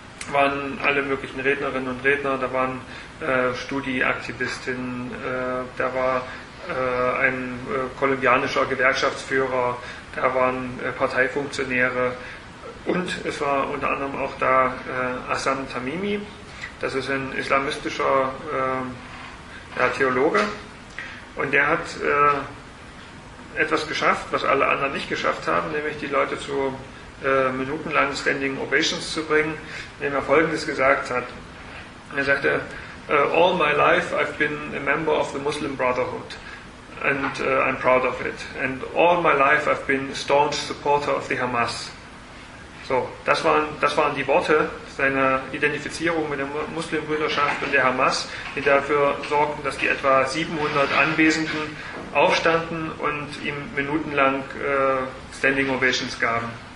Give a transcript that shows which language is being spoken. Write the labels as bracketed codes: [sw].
[de] waren alle möglichen Rednerinnen und Redner, da waren Studi-Aktivistinnen, da war ein kolumbianischer Gewerkschaftsführer, da waren Parteifunktionäre und es war unter anderem auch da Hassan Tamimi, das ist ein islamistischer Theologe und der hat etwas geschafft, was alle anderen nicht geschafft haben, nämlich die Leute zu minutenlangen Standing Ovations zu bringen, indem er Folgendes gesagt hat. Er sagte, [en] all my life I've been a member of the Muslim Brotherhood and I'm proud of it. And all my life I've been a staunch supporter of the Hamas. [de] So, das waren die Worte seiner Identifizierung mit der Muslimbrüderschaft und der Hamas, die dafür sorgten, dass die etwa 700 Anwesenden aufstanden und ihm minutenlang Standing Ovations gaben.